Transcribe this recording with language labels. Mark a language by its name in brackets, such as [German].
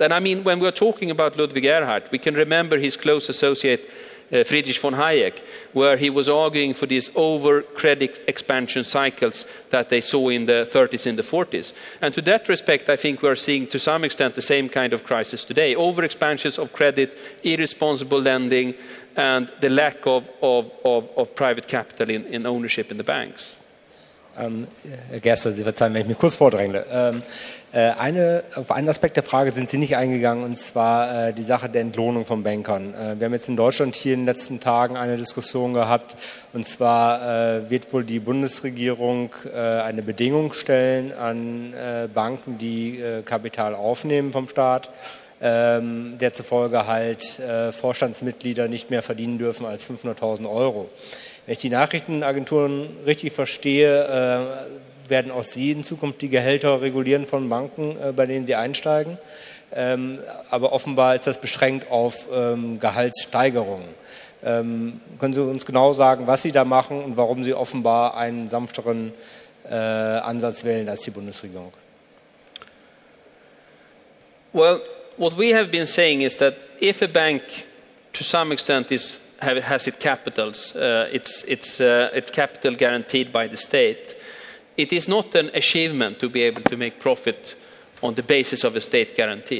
[English] And I mean, when we're talking about Ludwig Erhard, we can remember his close associate Friedrich von Hayek, where he was arguing for these over credit expansion cycles that they saw in the 30s and the 40s. And to that respect, I think we are seeing to some extent the same kind of crisis today. Over expansions of credit, irresponsible lending, and the lack of private capital in ownership in the banks. [German] Herr Gerster, Sie verzeihen, wenn ich mich kurz vordränge. Auf einen Aspekt der Frage sind Sie nicht eingegangen, und zwar die Sache der Entlohnung von Bankern. Wir haben jetzt in Deutschland hier in den letzten Tagen eine Diskussion gehabt, und zwar wird wohl die Bundesregierung eine Bedingung stellen an Banken, die Kapital aufnehmen vom Staat, der zufolge halt Vorstandsmitglieder nicht mehr verdienen dürfen als 500.000 Euro. Wenn ich die Nachrichtenagenturen richtig verstehe, werden auch Sie in Zukunft die Gehälter regulieren von Banken, bei denen Sie einsteigen. Aber offenbar ist das beschränkt auf Gehaltssteigerungen. Können Sie uns genau sagen, was Sie da machen und warum Sie offenbar einen sanfteren Ansatz wählen als die Bundesregierung? [English] Well, what we have been saying is that if a bank to some extent is has its capitals, its capital guaranteed by the state, it is not an achievement to be able to make profit on the basis of a state guarantee.